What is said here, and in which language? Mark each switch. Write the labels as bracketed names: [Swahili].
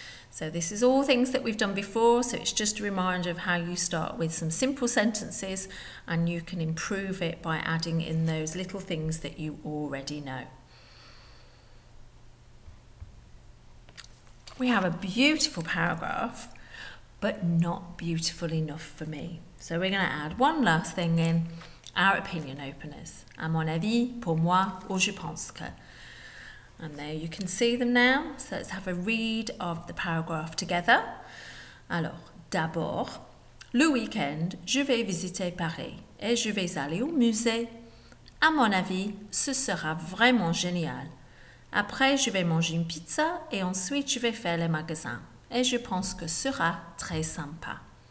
[English] So this is all things that we've done before, so it's just a reminder of how you start with some simple sentences and you can improve it by adding in those little things that you already know. We have a beautiful paragraph, but not beautiful enough for me. So we're going to add one last thing in, our opinion openers. [French] À mon avis, pour moi, ou je pense que. [English] And there you can see them now. So let's have a read of the paragraph together. [French] Alors, d'abord, le week-end, je vais visiter Paris et je vais aller au musée. À mon avis, ce sera vraiment génial. Après, je vais manger une pizza et ensuite, je vais faire les magasins. Et je pense que ce sera très sympa.